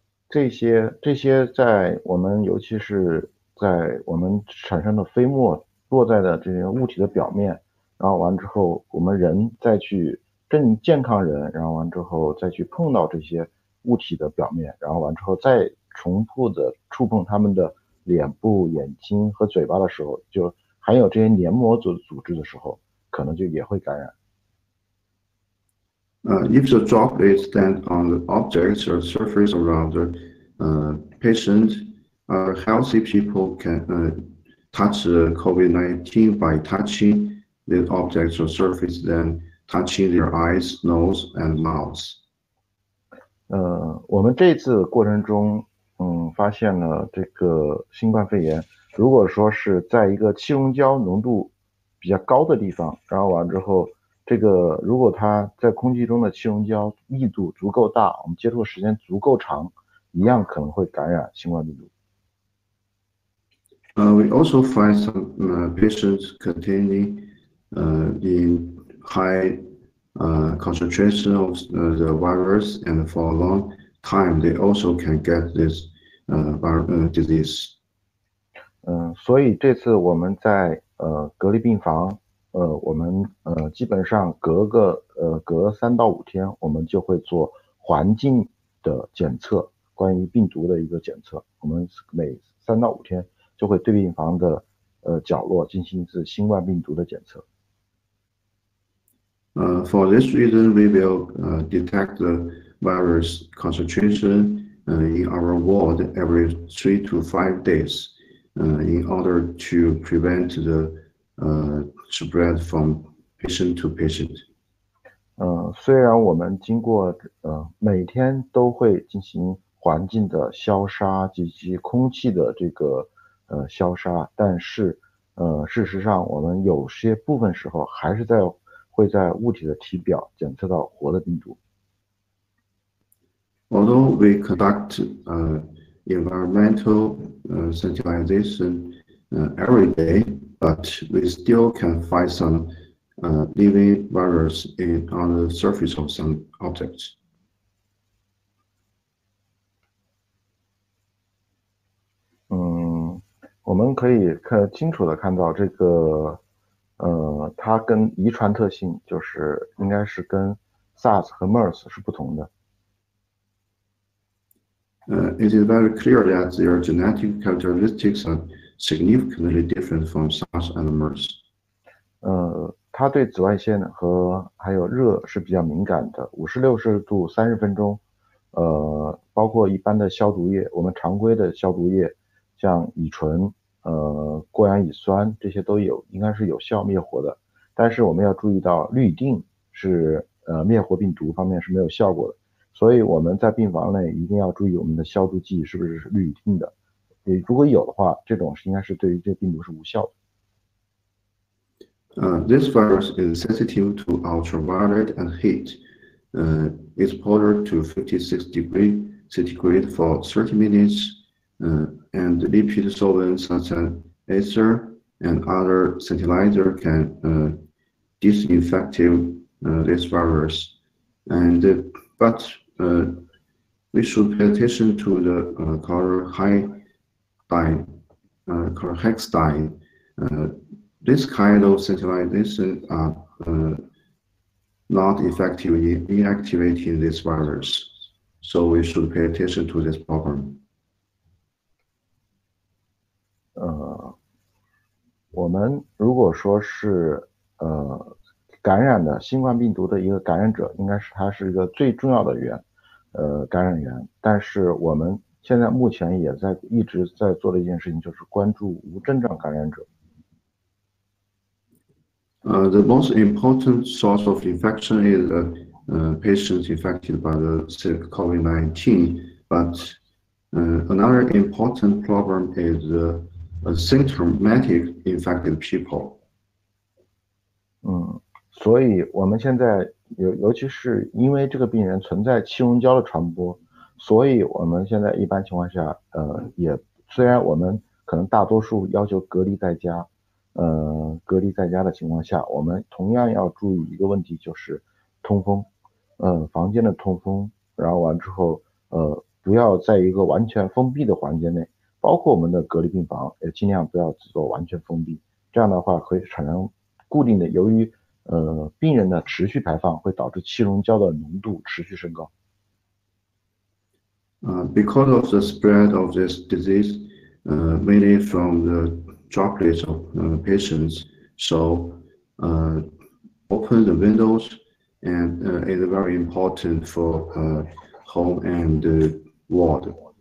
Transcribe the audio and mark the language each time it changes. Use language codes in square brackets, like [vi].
[zh] 这些在我们尤其是在我们产生的飞沫落在的这些物体的表面，然后完之后我们人再去更健康人，然后完之后再去碰到这些物体的表面，然后完之后再重复的触碰他们的脸部、眼睛和嘴巴的时候，就含有这些黏膜组织的时候，可能就也会感染。 [en] If the droplets stand on the objects or surface around the patient, healthy people can touch COVID-19 by touching the objects or surface, then touching their eyes, nose, and mouths. [zh] 我们这次过程中，发现了这个新冠肺炎。如果说是在一个气溶胶浓度比较高的地方，然后完之后，这个如果它在空气中的气溶胶密度足够大，我们接触时间足够长，一样可能会感染新冠病毒。 We also find some patients containing in high concentration of the virus, and for a long time, they also can get this disease. 所以这次我们在隔离病房，我们基本上隔3到5天，我们就会做环境的检测，关于病毒的一个检测。我们每3到5天就会对病房的角落进行一次新冠病毒的检测。 [en] For this reason, we will detect the virus concentration in our ward every 3 to 5 days. In order to prevent the spread from patient to patient. [zh] 虽然我们经过每天都会进行环境的消杀以及空气的这个消杀，但是事实上我们有些部分时候还是在会在物体的体表检测到活的病毒。 [en] Although we conduct environmental sanitization every day, but we still can find some living virus on the surface of some objects. [zh] 我们可以看清楚的看到这个，它跟遗传特性就是应该是跟 SARS 和 MERS 是不同的。 [en] It is very clear that their genetic characteristics are significantly different from SARS and MERS. [zh] 它对紫外线和还有热是比较敏感的，56摄氏度30分钟，包括一般的消毒液，我们常规的消毒液，像乙醇、过氧乙酸这些都有，应该是有效灭活的。但是我们要注意到氯乙定是灭活病毒方面是没有效果的。所以我们在病房内一定要注意我们的消毒剂是不是氯乙定的，如果有的话，这种应该是对于这病毒是无效的。 [en] This virus is sensitive to ultraviolet and heat. It's exposed to 56 degrees centigrade for 30 minutes. and lipid solvents such as ether and other sensitizer can disinfect this virus. But we should pay attention to the chlorhexidine. This kind of sensitization are not effective in inactivating this virus. So we should pay attention to this problem. [zh] 我们如果说是感染的新冠病毒的一个感染者，应该是它是一个最重要的源，感染源。但是我们现在目前也在一直在做的一件事情，就是关注无症状感染者。 [en] The most important source of infection is the patients infected by the COVID-19. But another important problem is the symptomatic infected people. [zh] 所以我们现在尤其是因为这个病人存在气溶胶的传播，所以我们现在一般情况下，也虽然我们可能大多数要求隔离在家，隔离在家的情况下，我们同样要注意一个问题，就是通风，房间的通风，然后完之后，不要在一个完全封闭的环境内，包括我们的隔离病房，也尽量不要做完全封闭，这样的话可以产生固定的，由于病人的持续排放会导致气溶胶的浓度持续升高。 [en] Because of the spread of this disease, mainly from the droplets of patients, so open the windows and is very important for home and ward.